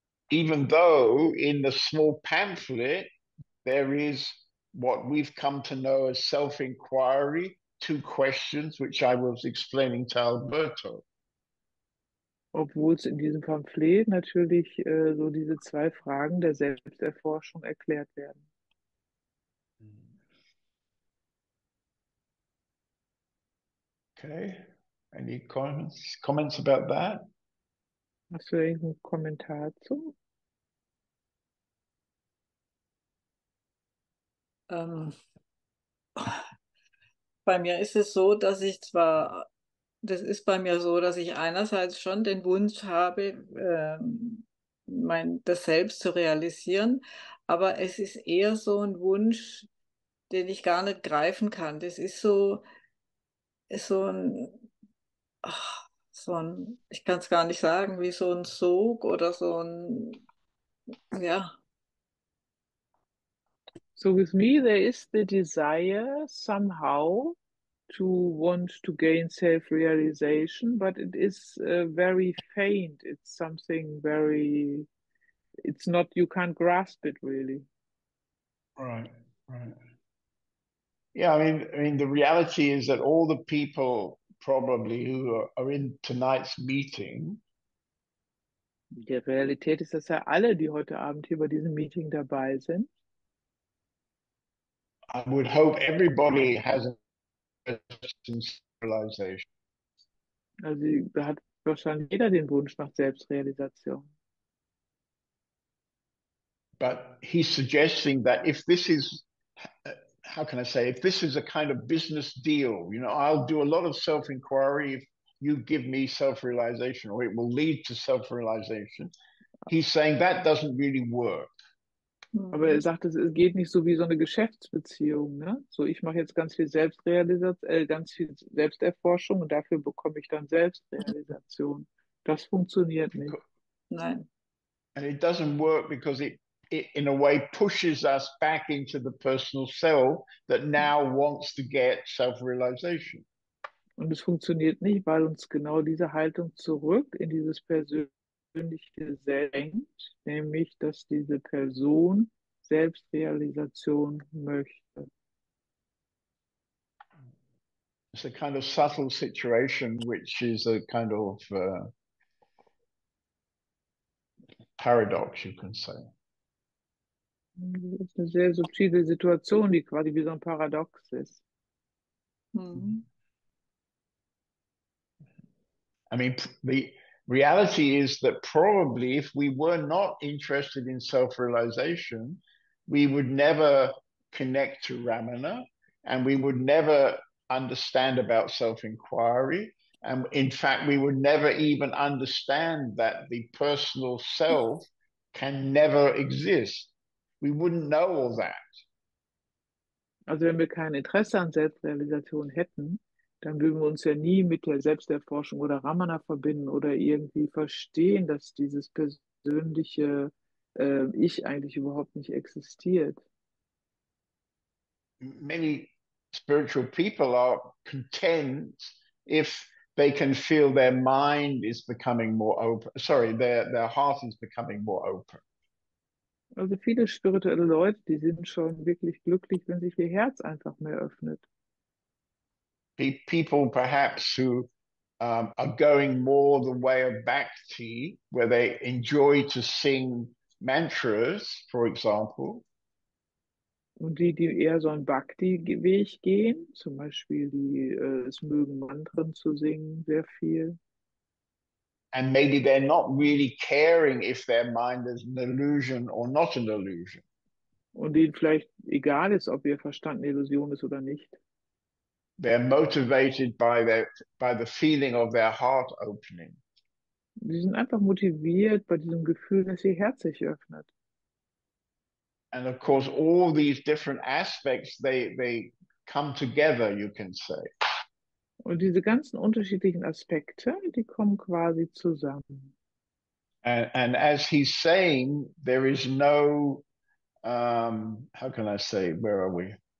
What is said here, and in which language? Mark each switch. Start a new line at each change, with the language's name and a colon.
English: Even though in the small pamphlet there is what we've come to know as self-inquiry, two questions, which I was explaining to Alberto.
German: Obwohl es in diesem Pamphlet natürlich so diese zwei Fragen der Selbsterforschung erklärt werden.
English: Okay, any comments about that?
German: Hast du irgendeinen Kommentar dazu? Bei mir ist es so, dass ich zwar, das ist bei mir so, dass ich einerseits schon den Wunsch habe, das selbst zu realisieren, aber es ist eher so ein Wunsch, den ich gar nicht greifen kann. Das ist so ein, ich kann es gar nicht sagen, wie so ein Sog oder so ein, ja.
English: So with me, there is the desire somehow to want to gain self-realization, but it is very faint. It's something very, it's not, you can't grasp it really. Right. Yeah, I mean, the reality is that all the people probably who are in tonight's meeting.
German: Die Realität ist, dass ja alle, die heute Abend hier bei diesem Meeting dabei sind,
English: I would hope everybody has an interest in civilization.
German: also da hat wahrscheinlich jeder den Wunsch nach Selbstrealisation.
English: But he's suggesting that if this is, how can I say, if this is a kind of business deal, I'll do a lot of self-inquiry if you give me self-realization, or it will lead to self-realization. He's saying that doesn't really work.
German: Aber er sagt, es geht nicht so wie so eine Geschäftsbeziehung, ne? So, ich mache jetzt ganz viel Selbstrealisation, ganz viel Selbsterforschung und dafür bekomme ich dann Selbstrealisation. Das funktioniert nicht. Nein.
English: And it doesn't work because it in a way pushes us back into the personal self that now wants to get self-realization.
German: Und es funktioniert nicht, weil uns genau diese Haltung zurück in dieses Persönliche senkt, nämlich dass diese Person Selbstrealisation möchte.
English: It's a kind of subtle situation, which is a kind of paradox, you can say.
German: Das ist eine sehr subtile Situation, die quasi wie so ein Paradox ist.
English: I mean, the reality is that probably if we were not interested in self-realization, we would never connect to Ramana and we would never understand about self-inquiry. And in fact, we would never even understand that the personal self can never exist. We wouldn't know all that.
German: Also wenn wir kein Interesse an Selbstrealisation hätten, dann würden wir uns ja nie mit der Selbsterforschung oder Ramana verbinden oder irgendwie verstehen, dass dieses persönliche Ich eigentlich überhaupt nicht existiert.
English: Many spiritual people are content if they can feel their mind is becoming more open. Sorry, their heart is becoming more open.
German: Also viele spirituelle Leute, die sind schon wirklich glücklich, wenn sich ihr Herz einfach mehr öffnet.
English: People perhaps who are going more the way of bhakti, where they enjoy to sing mantras, for example.
German: Und die, die eher so einen Bhakti-Weg gehen, zum Beispiel die es mögen, Mantren zu singen, sehr viel.
English: And maybe they're not really caring if their mind is an illusion or not an illusion.
German: Und denen vielleicht egal ist, ob ihr Verstand eine Illusion ist oder nicht.
English: They're motivated by the feeling of their heart opening.
German: Die sind einfach motiviert bei diesem Gefühl, dass ihr Herz sich öffnet.
English: And of course, all these different aspects, they come together, you can say.
German: Und diese ganzen unterschiedlichen Aspekte, die kommen quasi zusammen.
English: And as he's saying, there is no, how can I say, where are we?